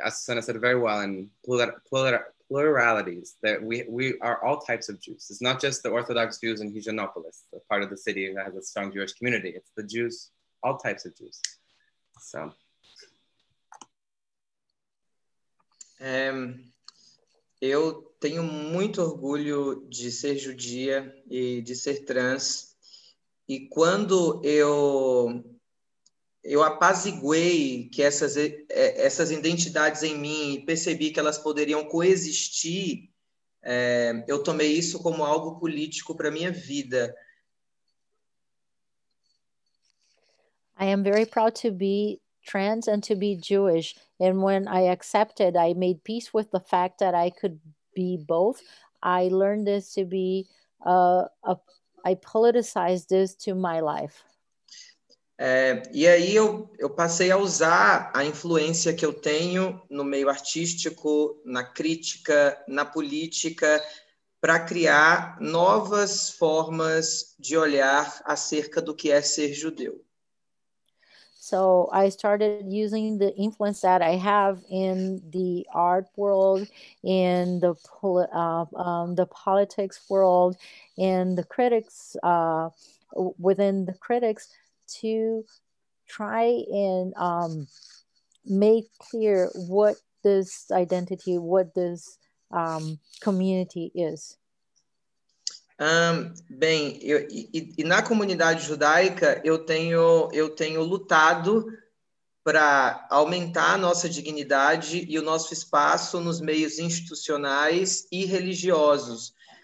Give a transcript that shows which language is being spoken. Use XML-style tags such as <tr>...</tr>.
<en>Azucena said it very well, and pluralities, that we are all types of Jews. It's not just the Orthodox Jews in Higienopolis, the part of the city that has a strong Jewish community. It's the Jews, all types of Jews, so.</en> <pt>Eu tenho muito orgulho de ser judia e de ser trans. E quando eu apaziguei que essas identidades em mim e percebi que elas poderiam coexistir, eu tomei isso como algo político para minha vida.</pt> <en>I am very proud to be trans and to be Jewish. And when I accepted, I made peace with the fact that I could be both. I learned this to be, I politicized this to my life.</en> <pt>E aí eu passei a usar a influência que eu tenho no meio artístico, na crítica, na política, para criar novas formas de olhar acerca do que é ser judeu.</pt> <en>So I started using the influence that I have in the art world, in the politics world, in the critics, within the critics, to try and make clear what this identity, what this community is.</en> <pt>Bem, e na comunidade judaica eu tenho lutado para aumentar a nossa dignidade e o nosso espaço nos meios institucionais e religiosos.</pt>